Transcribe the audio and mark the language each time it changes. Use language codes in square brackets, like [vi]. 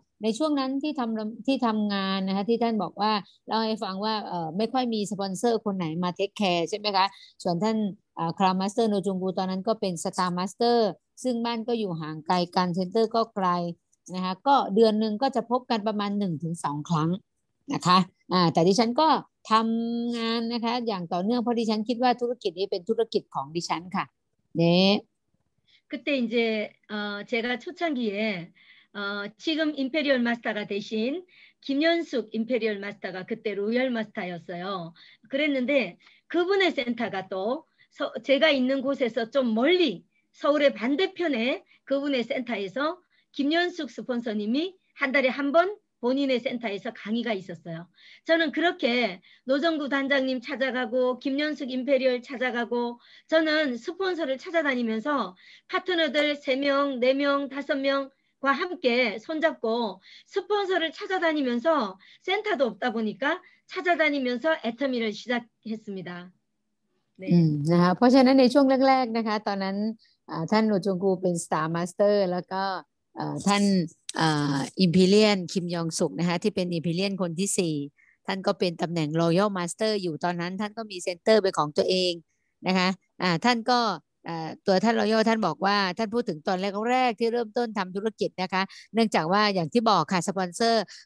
[th] ในช่วงนั้นที่ทำงานนะคะที่ท่านบอกว่าเล่าให้ฟังว่าไม่ค่อยมีสปอนเซอร์คนไหนมาเทคแคร์ใช่ไหมคะส่วนท่านคราวมาสเตอร์โนจุงกูตอนนั้นก็เป็นสตาร์มาสเตอร์ซึ่งบ้านก็อยู่ห่างไกลกันเซ็นเตอร์ก็ไกลนะคะก็เดือนหนึ่งก็จะพบกันประมาณ1 ถึง 2 ครั้งนะคะแต่ดิฉันก็ทำงานนะคะอย่างต่อเนื่องเพราะดิฉันคิดว่าธุรกิจนี้เป็นธุรกิจของดิฉันค่ะเนี่ย [ko] 그때 이제 제가 초창기에 지금 임페리얼 마스터가 대신 김현숙 임페리얼 마스터가 그때 로열 마스터였어요. 그랬는데 그분의 센터가 또 제가 있는 곳에서 좀 멀리 서울의 반대편에 그분의 센터에서 김현숙 스폰서님이 한 달에 한번 본인의 센터에서 강의가 있었어요. 저는 그렇게 노정구 단장님 찾아가고 김연숙 임페리얼 찾아가고 저는 스폰서를 찾아다니면서 파트너들 3명, 4명, 5명과 함께 손잡고 스폰서를 찾아다니면서 센터도 없다 보니까 찾아다니면서 애터미를 시작했습니다. 네. [th] นะคะเพราะฉะนั้นในช่วงแรกๆนะคะตอนนั้นท่านโนจงกูเป็นสตาร์มาสเตอร์แล้วก็ท่านอิมพีเรียนคิมยองสุกนะคะที่เป็นอิมพีเรียนคนที่สี่ท่านก็เป็นตำแหน่งรอยัลมาสเตอร์อยู่ตอนนั้นท่านก็มีเซ็นเตอร์เป็นของตัวเองนะคะท่านก็ตัวท่านรอยัลท่านบอกว่าท่านพูดถึงตอนแรกๆที่เริ่มต้นทำธุรกิจนะคะเนื่องจากว่าอย่างที่บอกค่ะสปอนเซอร์